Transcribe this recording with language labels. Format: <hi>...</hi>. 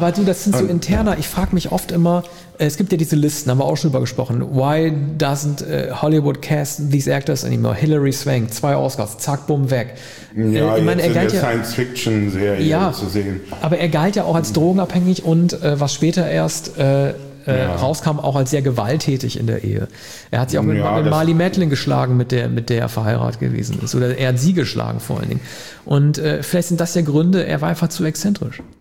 <de>Aber du, das sind so interner. Ich frage mich oft immer, es gibt ja diese Listen, haben wir auch schon drüber gesprochen.</de> <en>Why doesn't Hollywood cast these actors anymore?</en> <de>Hilary Swank, 2 Oscars, zack, bumm, weg. Ja, Science-Fiction-Serie zu sehen. Aber er galt ja auch als drogenabhängig und was später erst rauskam, auch als sehr gewalttätig in der Ehe. Er hat sich auch mit Marlee Matlin geschlagen, mit der er verheiratet gewesen ist. Oder er hat sie geschlagen vor allen Dingen. Und vielleicht sind das ja Gründe, er war einfach zu exzentrisch.</de>